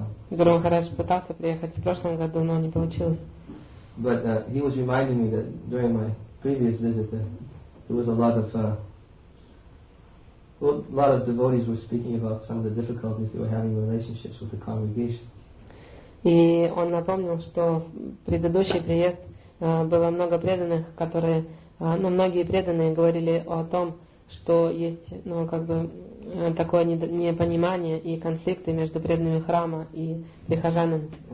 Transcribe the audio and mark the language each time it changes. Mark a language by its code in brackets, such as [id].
[ru] Гуру Махарадж пытался приехать в прошлом году, но не получилось. [en] But he was reminding me that during my previous visit that there was a lot of devotees were speaking about some of the difficulties they were having in relationships with the congregation. [ru] И он напомнил, что в предыдущий приезд было много преданных, которые ну, многие преданные говорили о том, что есть ну, как бы, такое непонимание и конфликты между преданными храма и прихожанами.